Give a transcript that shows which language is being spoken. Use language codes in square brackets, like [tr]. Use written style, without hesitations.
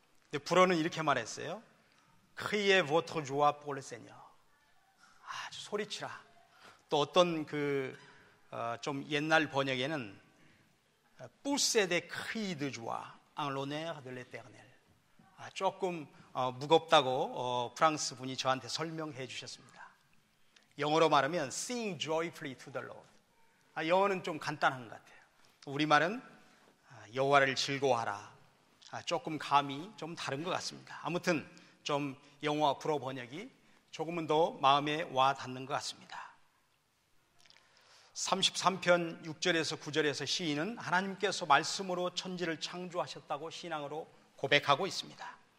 [ko] 근데 불어는 이렇게 말했어요. 크리에 보토 조아 폴레세뇨, 아주 소리치라. 또 어떤 그 좀 옛날 번역에는 뿌세데 크리드 조아 앙로네르 델레 테르넬, 조금 무겁다고 프랑스 분이 저한테 설명해 주셨습니다. 영어로 말하면 [en] Sing joyfully to the Lord. [ko] 영어는 좀 간단한 것 같아요. 우리말은 여호와를 즐거워하라. 조금 감이 좀 다른 것 같습니다. 아무튼 좀 영어와 불어 번역이 조금은 더 마음에 와 닿는 것 같습니다. 33편 6절에서 9절에서 시인은 하나님께서 말씀으로 천지를 창조하셨다고 신앙으로 고백하고 있습니다.